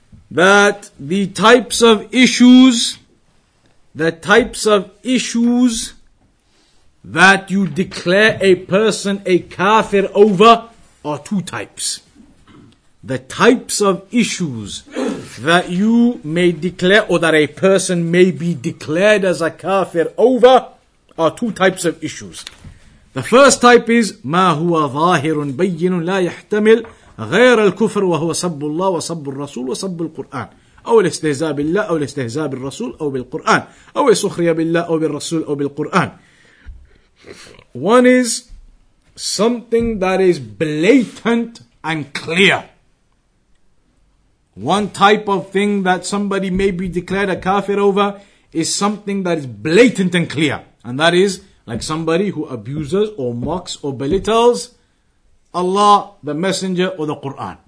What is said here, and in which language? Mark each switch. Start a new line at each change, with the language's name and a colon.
English: That the types of issues that you declare a person a kafir over are two types. The types of issues that you may declare or that a person may be declared as a kafir over are two types of issues. The first type is
Arabic: ما هو ظاهر بين لا يحتمل غير الكفر وهو سب الله وسب الرسول وسب القرآن أو الاستهزاء بالله أو الاستهزاء بالرسول أو بالقرآن أو السخرية بالله أو بالرسول أو بالقرآن.
English: One is something that is blatant and clear. One type of thing that somebody may be declared a kafir over is something that is blatant and clear, and that is like somebody who abuses or mocks or belittles Allah, the Messenger, or the Qur'an.